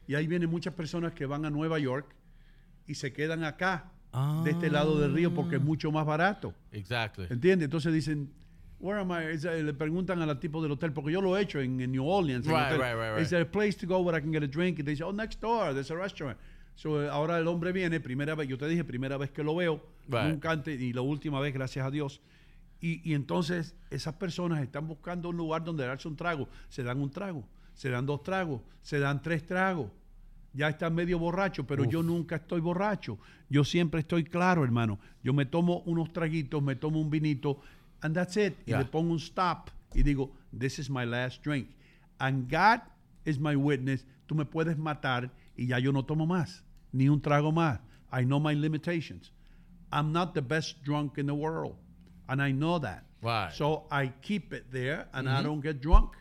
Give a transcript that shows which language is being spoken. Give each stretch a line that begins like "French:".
Spanish: Y ahí vienen muchas personas que van a Nueva York y se quedan acá, de este lado del río, porque es mucho más barato.
English: Exactly.
Spanish: ¿Entiendes? Entonces dicen,
English: where am I?
Spanish: Le preguntan al tipo del hotel, porque yo lo he hecho en New Orleans.
English: Right. Is there a place to go where I can get a drink? Y they say, oh, next door, there's a restaurant. So,
Spanish: ahora el hombre viene, primera vez que lo veo,
English: right.
Spanish: Nunca antes, y la última vez, gracias a Dios. Y entonces esas personas están buscando un lugar donde darse un trago. Se dan un trago, se dan dos tragos, se dan tres tragos. Ya están medio borrachos, pero yo nunca estoy borracho. Yo siempre estoy claro, hermano. Yo me tomo unos traguitos, me tomo un vinito,
English: and that's it. Yeah.
Spanish: Y le pongo un stop y digo,
English: this is my last drink. And God is my witness.
Spanish: Tú me puedes matar y ya yo no tomo más, ni un trago más.
English: I know my limitations. I'm not the best drunk in the world. And I know that. Right. So I keep it there and mm-hmm. I don't get drunk.